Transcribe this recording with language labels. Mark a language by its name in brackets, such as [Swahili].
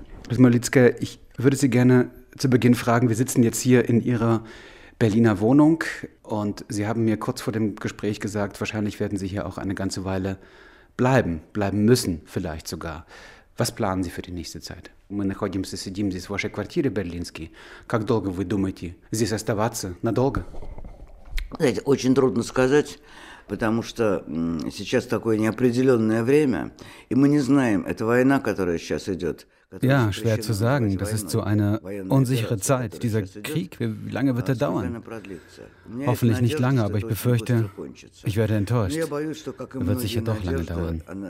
[German] Ludmila Ulitskaya, ich würde Sie gerne zu Beginn fragen, wir sitzen jetzt hier in Ihrer Berliner Wohnung und Sie haben mir kurz vor dem Gespräch gesagt, wahrscheinlich werden Sie hier auch eine ganze Weile bleiben müssen vielleicht sogar. Was planen Sie für die nächste Zeit? [Russian] Мы находимся, сидим здесь в вашей квартире берлинской. Как долго вы думаете здесь оставаться? Надолго? Знаете, очень трудно сказать, потому что сейчас такое неопределенное время, и мы не знаем, это война, которая сейчас идет. [German] Ja, schwer zu sagen. Das ist so eine unsichere Zeit. Dieser Krieg, wie lange wird er dauern? Hoffentlich nicht lange, aber ich befürchte, ich werde enttäuscht. Er wird sicher doch lange dauern.